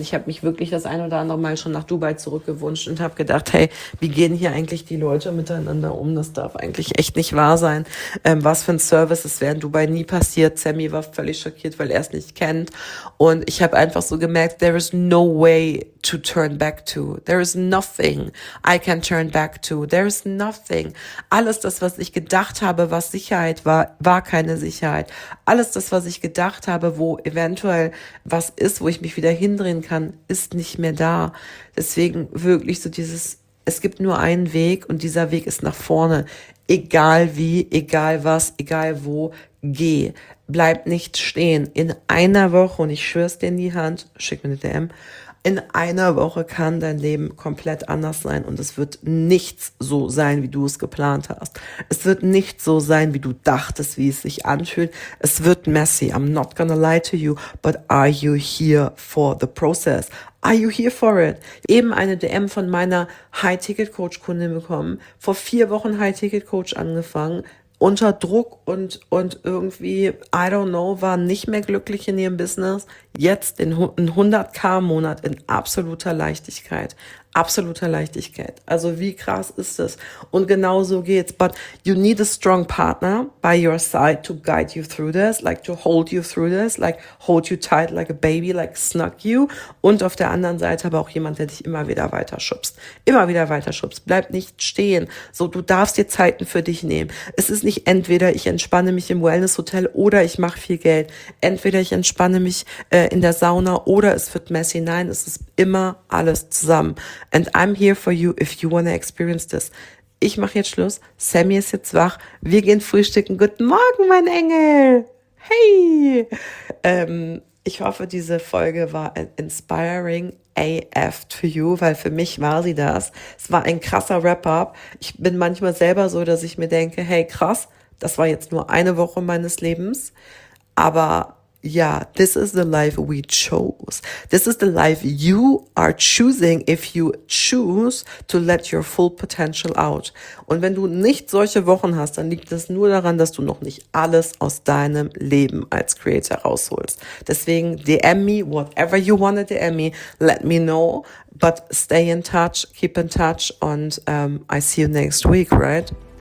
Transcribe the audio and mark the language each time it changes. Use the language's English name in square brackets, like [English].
[German] Ich habe mich wirklich das ein oder andere Mal schon nach Dubai zurückgewünscht und habe gedacht, hey, wie gehen hier eigentlich die Leute miteinander um? Das darf eigentlich echt nicht wahr sein. Was für ein Service, das wäre in Dubai nie passiert. Sammy war völlig schockiert, weil er es nicht kennt. Und ich habe einfach so gemerkt, [English] there is no way to turn back to. There is nothing I can turn back to. There is nothing. [German] Alles das, was ich gedacht habe, was Sicherheit war, war keine Sicherheit. Alles das, was ich gedacht habe, wo eventuell was ist, wo ich mich wieder hindrehen kann, ist nicht mehr da. Deswegen wirklich so dieses, es gibt nur einen Weg und dieser Weg ist nach vorne. Egal wie, egal was, egal wo, geh. Bleib nicht stehen. In einer Woche, und ich schwör's dir in die Hand, schick mir eine DM, in einer Woche kann dein Leben komplett anders sein und es wird nichts so sein, wie du es geplant hast. Es wird nicht so sein, wie du dachtest, wie es sich anfühlt. Es wird messy. [English] I'm not gonna lie to you, but are you here for the process? Are you here for it? [German] Eben eine DM von meiner High-Ticket-Coach-Kundin bekommen. Vor 4 Wochen High-Ticket-Coach angefangen. Unter Druck und irgendwie, [English] I don't know, [German] war nicht mehr glücklich in ihrem Business. Jetzt in 100K-Monat in absoluter Leichtigkeit. Absoluter Leichtigkeit. Also wie krass ist das? Und genau so geht's. [English] But you need a strong partner by your side to guide you through this, like to hold you through this, like hold you tight like a baby, like snug you. [German] Und auf der anderen Seite aber auch jemand, der dich immer wieder weiter schubst. Immer wieder weiter schubst. Bleib nicht stehen. So, du darfst dir Zeiten für dich nehmen. Es ist nicht entweder ich entspanne mich im Wellness-Hotel oder ich mache viel Geld. Entweder ich entspanne mich in der Sauna oder es wird messy. Nein, es ist immer alles zusammen. [English] And I'm here for you if you wanna experience this. [German] Ich mache jetzt Schluss. Sammy ist jetzt wach. Wir gehen frühstücken. Guten Morgen, mein Engel. Hey. Ich hoffe, diese Folge war [English] inspiring AF to you, [German] weil für mich war sie das. Es war ein krasser Wrap-up. Ich bin manchmal selber so, dass ich mir denke, hey, krass, das war jetzt nur eine Woche meines Lebens. Aber ja, [English] this is the life we chose. This is the life you are choosing if you choose to let your full potential out. [German] Und wenn du nicht solche Wochen hast, dann liegt es nur daran, dass du noch nicht alles aus deinem Leben als Creator rausholst. Deswegen [English] DM me, whatever you want to DM me, let me know. But stay in touch, keep in touch and I see you next week, right?